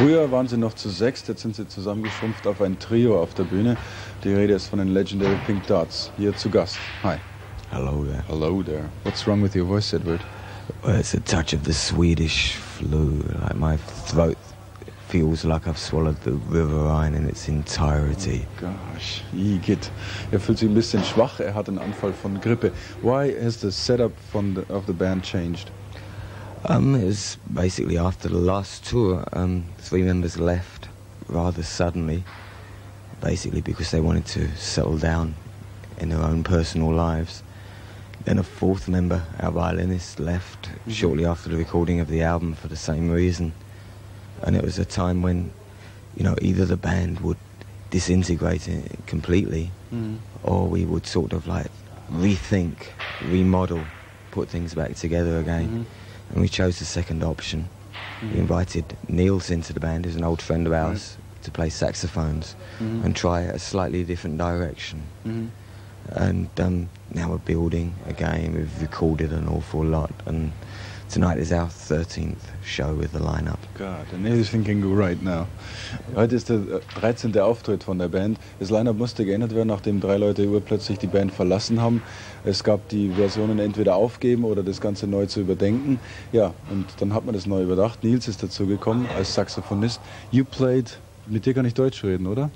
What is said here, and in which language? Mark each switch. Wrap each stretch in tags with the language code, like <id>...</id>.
<de>Waren sie noch zu sechst, jetzt sind sie zusammengeschrumpft auf ein Trio auf der Bühne. Die Rede ist von den Legendary Pink Dots, hier zu Gast.</de> <en>Hi. Hello there. Hello there. What's wrong with your voice, Edward? Well, it's a touch of the Swedish flu. Like my throat feels like I've swallowed the River Rhine in its entirety. Oh gosh,</en> <de>Igitt. Er fühlt sich ein bisschen schwach, er hat einen Anfall von Grippe.</de> <en>Why has the setup of the band changed? It was basically after the last tour, three members left rather suddenly, basically because they wanted to settle down in their own personal lives. Then a fourth member, our violinist, left shortly after the recording of the album for the same reason. And it was a time when you know, either the band would disintegrate completely, or we would sort of like rethink, remodel, put things back together again. Mm-hmm. And we chose the second option. Mm-hmm. We invited Niels into the band, who's an old friend of ours, right, to play saxophones, mm-hmm, and try a slightly different direction. Mm-hmm. And now we're building again. We've recorded an awful lot, and tonight is our 13th show with the lineup. God, and he's thinking right now.</en> <de>Heute ist der 13. Auftritt von der Band. Das Lineup musste geändert werden, nachdem drei Leute urplötzlich die Band verlassen haben. Es gab die Versionen entweder aufgeben oder das Ganze neu zu überdenken. Ja, und dann hat man das neu überdacht. Niels ist dazu gekommen als Saxophonist.</de> <en>You played.</en> <de>Mit dir kann ich Deutsch reden, oder?</de>